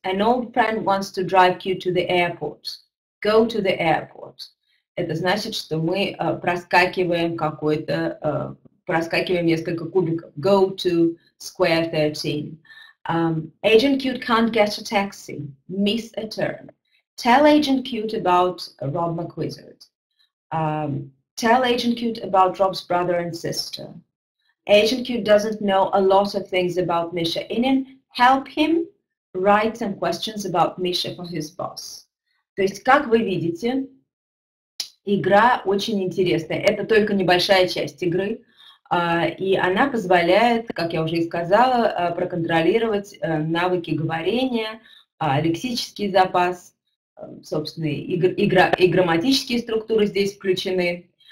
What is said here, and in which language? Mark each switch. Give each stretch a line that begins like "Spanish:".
English: An old friend wants to drive you to the airport. Go to the airport.
Russian: Это значит, что мы проскакиваем несколько кубиков.
English: Go to square 13. Agent Cute can't get a taxi. Miss a turn. Tell Agent Cute about Rob McWizard. Tell Agent Cute about Rob's brother and sister. Agent Cute doesn't know a lot of things about Misha Inin. Help him write some questions about Misha for his boss.
Russian: То есть, как вы видите, игра очень интересная. Это только небольшая часть игры, и она позволяет, как я уже и сказала, проконтролировать навыки говорения, лексический запас, собственно, и грамматические структуры здесь включены.